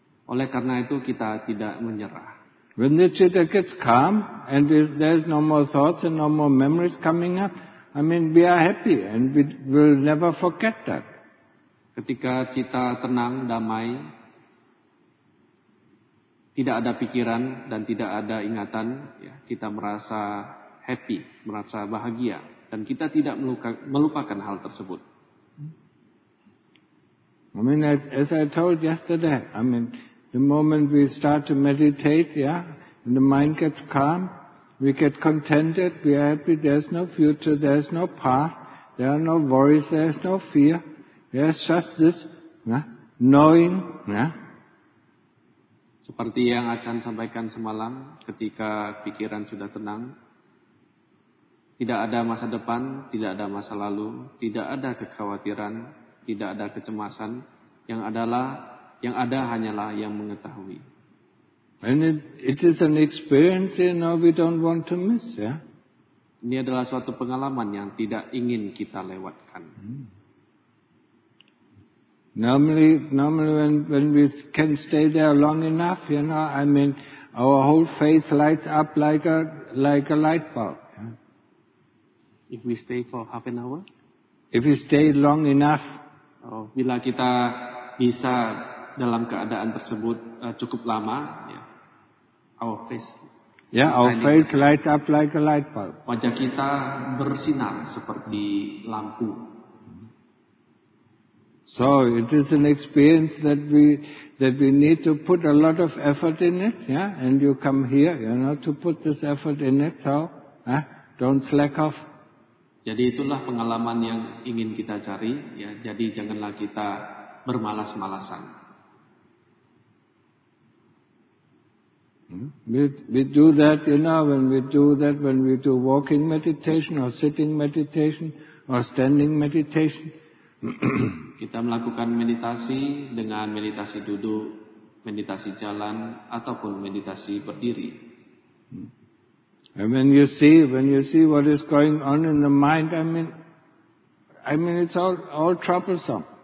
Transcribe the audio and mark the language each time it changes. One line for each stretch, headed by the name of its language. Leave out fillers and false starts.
Indonesian: Oleh karena itu kita tidak menyerah.
English: When the citta gets calm and there's no more thoughts and no more memories coming up, I mean we are happy and we will never forget that.
Indonesian: Ketika citta tenang, damai, tidak ada pikiran dan tidak ada ingatan, ya, kita merasa happy, merasa bahagia, dan kita tidak melupakan hal tersebut.
English: I mean, as I told yesterday, I mean, the moment we start to meditate, yeah, and the mind gets calm, we get contented, we are happy, there's no future, there's no past, there are no worries, there's no fear, there's just this, yeah, knowing, yeah.
Indonesian: Seperti yang Acan sampaikan semalam, ketika pikiran sudah tenang, tidak ada masa depan, tidak ada masa lalu, tidak ada kekhawatiran, tidak ada kecemasan, yang ada hanyalah yang mengetahui.
English: And it is an experience, you know, we don't want to miss, yeah?
Indonesian: Ini adalah suatu pengalaman yang tidak ingin kita lewatkan.
English: Normally when we can stay there long enough, you know, I mean, our whole face lights up like a light bulb. Yeah? If we stay for half an hour? If we stay long enough.
Indonesian: Oh, bila kita bisa dalam keadaan tersebut cukup lama, yeah,
English: our face Yeah, our faith lights up like a light bulb.
Indonesian: Wajah kita bersinar seperti lampu.
English: So it is an experience that we need to put a lot of effort in it, yeah. And you come here, you know, to put this effort in it. So, don't slack off.
Indonesian: Jadi itulah pengalaman yang ingin kita cari, ya. Jadi janganlah kita bermalas-malasan.
English: We do that, you know, when we do walking meditation or sitting meditation or standing meditation.
Indonesian: Kita melakukan meditasi dengan meditasi duduk, meditasi jalan, ataupun meditasi berdiri.
English: And when you see what is going on in the mind, I mean it's all troublesome.